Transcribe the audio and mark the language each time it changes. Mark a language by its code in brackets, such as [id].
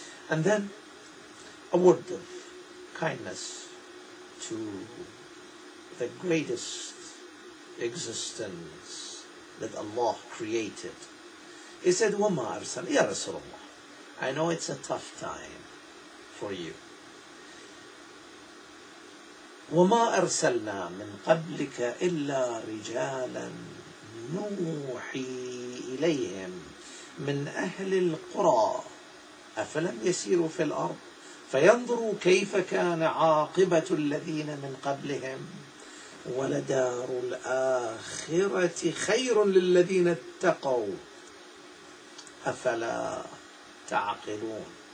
[en] And then a word of kindness to the greatest existence that Allah created. He said, [ar] وَمَا أَرْسَلْنَا يَا رَسُولَ اللَّهِ. [en] I know it's a tough time for you. [ar] وَمَا أَرْسَلْنَا مِنْ قَبْلِكَ إِلَّا رِجَالًا نُوحِي إِلَيْهِمْ مِنْ أَهْلِ الْقُرَى أَفَلَمْ يَسِيرُوا فِي الْأَرْضِ فَيَنْظُرُوا كَيْفَ كَانَ عَاقِبَةُ الَّذِينَ مِنْ قَبْلِهِمْ وَلَدَارُ الْآخِرَةِ خَيْرٌ لِلَّذِينَ اتَّقَوْا أَفَلَا تَعْقِلُونَ.